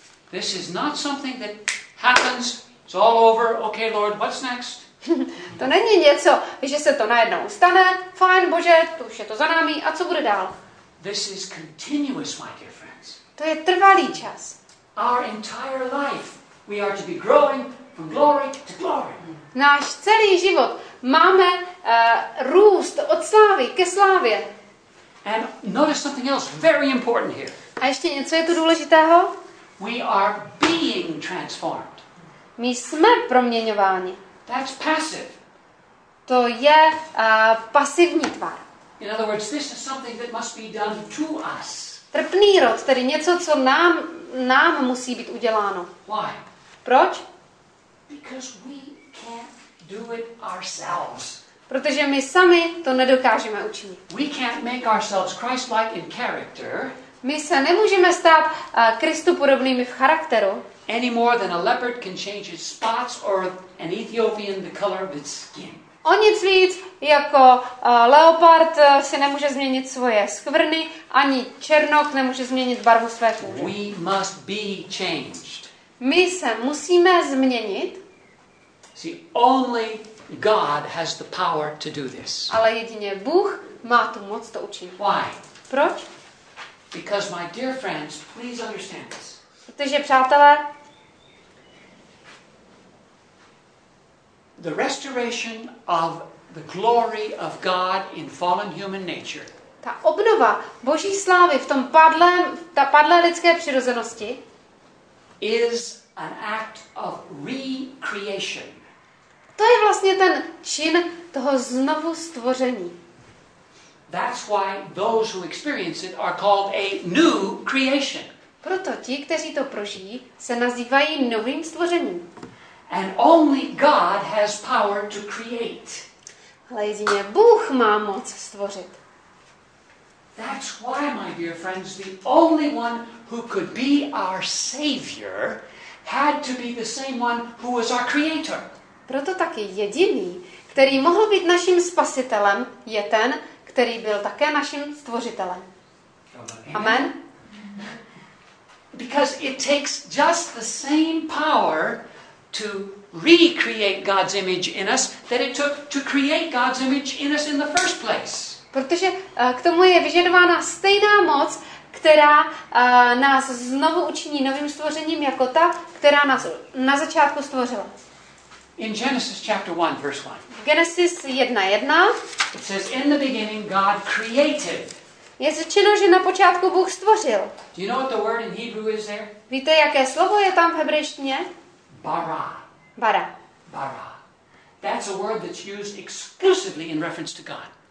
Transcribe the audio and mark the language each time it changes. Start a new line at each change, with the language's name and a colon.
English: This is not something that happens, it's all over, okay Lord, what's next?
Czech: To není něco, že se to najednou stane, fajn Bože, to už je to za námi, a co bude dál?
English: This is continuous, my dear friends.
Czech: To je trvalý čas.
English: Our entire life, we are to be growing from glory to glory.
Czech: Náš celý život máme růst od slávy ke slávě.
English: And notice something else very important here.
Czech: A ještě něco je tu důležitého?
English: We are being transformed.
Czech: My jsme proměňováni.
English: That's passive.
Czech: To je pasivní tvar.
English: In other words, this is something that must be done to us.
Czech: Trpný rod, tedy něco, co nám musí být uděláno.
English: Why?
Czech: Proč?
English: Because we can't do it ourselves.
Czech: Protože my sami to nedokážeme učinit.
English: We can't make ourselves Christ-like in character.
Czech: My se nemůžeme stát Kristu podobnými v charakteru.
English: Any more than a leopard can change its spots or an Ethiopian the color of its skin.
Czech: O nic víc, jako leopard si nemůže změnit svoje skvrny, ani černok nemůže změnit barvu své kůže.
English: We must be changed.
Czech: My se musíme změnit.
English: See, only God has the power to do this.
Czech: Ale jedině Bůh má tu moc to učinit.
English: Why?
Czech: Proč?
English: Because my dear friends, please understand this.
Czech: Protože přátelé,
English: the restoration of the glory of God in fallen human nature.
Czech: Ta obnova Boží slávy v tom padlé lidské přirozenosti
English: is an act of recreation.
Czech: To je vlastně ten čin toho znovu stvoření.
English: That's why those who experience it are called a new creation.
Czech: Proto ti, kteří to prožijí, se nazývají novým stvořením.
English: And only God has power to create.
Czech: Ale jedině Bůh má moc stvořit.
English: That's why, my dear friends, the only one who could be our savior had to be the same one who was our creator.
Czech: Proto taky jediný, který mohl být naším spasitelem, je ten, který byl také naším stvořitelem.
English: Amen. Because it takes just the same power to recreate God's image in us that it took to create God's image in us in the first place.
Czech: Protože k tomu je vyžadována stejná moc, která nás znovu učiní novým stvořením jako ta, která nás na začátku stvořila.
English: In Genesis chapter 1 verse 1.
Czech: V Genesis 1:1.
English: It says in the beginning God created.
Czech: Je řečeno, že na počátku Bůh stvořil.
English: Do you know what the word in Hebrew is there?
Czech: Víte, jaké slovo je tam v hebrejštině?
English: Bara.
Czech: Bara.
English: Bara. That's a word that's used exclusively in reference to God.